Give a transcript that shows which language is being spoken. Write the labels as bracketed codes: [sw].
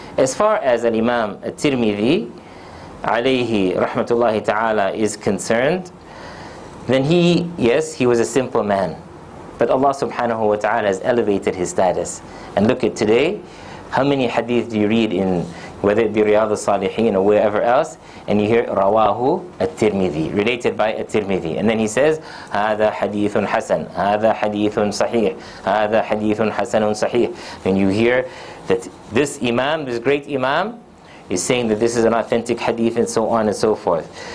[en] As far as al-Imam al-Tirmidhi alayhi rahmatullahi ta'ala is concerned, then he was a simple man. But Allah subhanahu wa ta'ala has elevated his status. And look at today, how many hadith do you read in, whether it be Riyadh al-Salihin or wherever else, and you hear Rawahu al-Tirmidhi, related by al-Tirmidhi. And then he says, [ar] هذا حديث حسن, هذا حديث صحيح, هذا حديث حسن صحيح. [en] Then you hear that this Imam, this great Imam, is saying that this is an authentic hadith and so on and so forth.